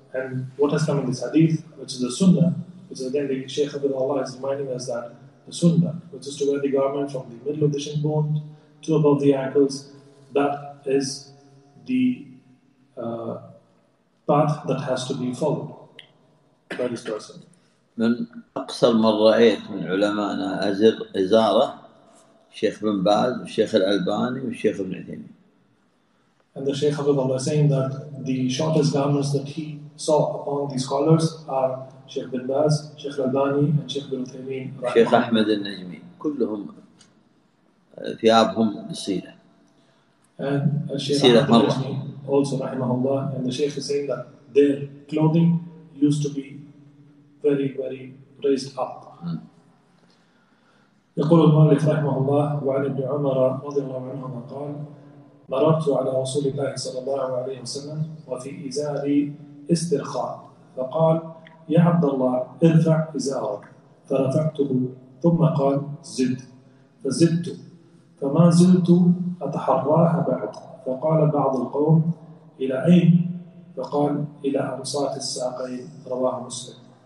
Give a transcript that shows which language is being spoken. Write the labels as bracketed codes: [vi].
[en] And what has come in this hadith, which is the sunnah, which is again the Shaykh Abdul Allah is reminding us that the sunnah, which is to wear the garment from the middle of the shin bone to above the ankles, that is the path that has to be followed. [ar] من أقصر من رأيت من علمائنا أزر إزارة الشيخ بن باز والشيخ الألباني والشيخ ابن عثيمين. [en] And the Shaykh Abdullah is saying that the shortest garments that he saw upon these scholars are Shaykh bin Baz, Shaykh Albani, and Shaykh ibn Uthaymeen. [ar] Shaykh Ahmed al-Najmi. كلهم ثيابهم قصيرة. [en] And Shaykh also, rahimahullah, and the Shaykh is saying that their clothing used to be very, very raised up. [ar] يقول المؤلف رحمه الله وعن ابن عمر رضي الله عنهما قال مررت على رسول الله صلى الله عليه وسلم وفي إزاري استرخاء فقال يا عبد الله ارفع إزارك فرفعته ثم قال زد فزدت فما زلت أتحراها بعد فقال بعض القوم إلى أين فقال إلى أوساط الساقين رواه مسلم